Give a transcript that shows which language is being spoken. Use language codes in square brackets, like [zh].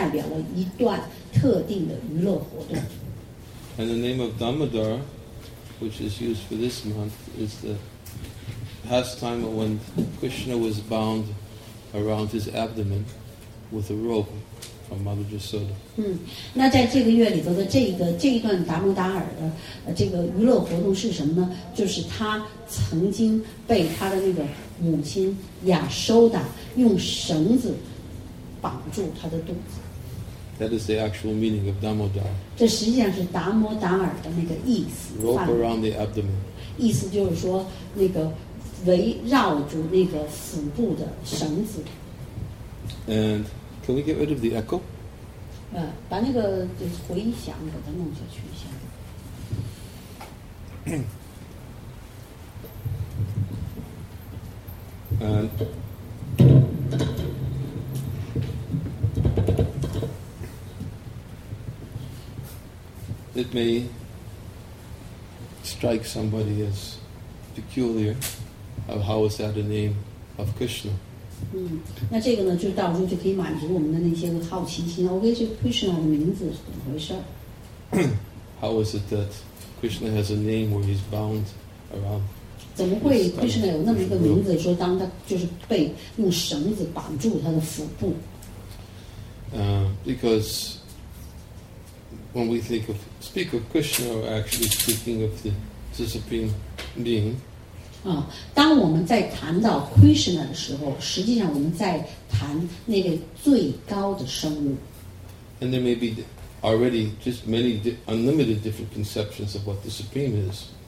[zh] 而他的每一个名字实际上都代表了一段特定的娱乐活动。 [en] And the name of Dhammodar, which is used for this month, is the pastime when Krishna was bound around his abdomen with a rope from Mother Yasoda. [zh] 那在这个月里头的这个娱乐活动是什么呢？就是他曾经被他的那个母亲亚修达用绳子绑住他的肚子。 [en] That is the actual meaning of Dhammodar. [zh] 这实际上是达摩达尔的那个意思。 [en] Rope around the abdomen. [zh] 意思就是说，那个围绕住那个腹部的绳子。 [en] And can we get rid of the echo? [zh] 把那个回响给它弄下去一下。 [en] It may strike somebody as peculiar of how is that a name of Krishna. [zh] 那这个呢，就到时候就可以满足我们的那些个好奇心。OK， 这 Krishna 的名字怎么回事？ [en] How is it that Krishna has a name where he's bound around? [zh] 怎么会 Krishna 有那么一个名字，说当他就是被用绳子绑住他的腹部？ [en] Because when we think of speak of Krishna, we're actually speaking of the Supreme Being. [zh] 当我们在谈到 Krishna 的时候，实际上我们在谈那个最高的生物。 [en] And there may be already just many unlimited different conceptions of what the Supreme is.